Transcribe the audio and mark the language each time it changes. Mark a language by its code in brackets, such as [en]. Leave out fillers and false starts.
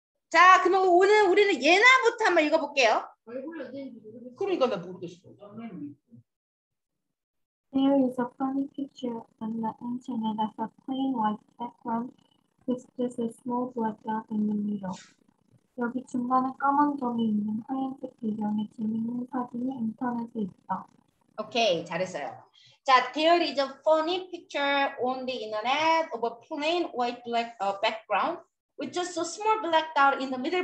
[ko] 자, 그러면 오늘 우리는 예나부터 한번 읽어볼게요. 그러니까 나 모르겠어. [en] There is a funny picture on the internet of a plain white background with just a small black dot in the middle. [ko] 여기 중간에 까만 점이 있는 하얀색 배경의 재밌는 사진이 인터넷에 있다. 오케이, 잘했어요. [en] 자, there is a funny picture on the internet of a plain white black background with just a small black dot in the middle.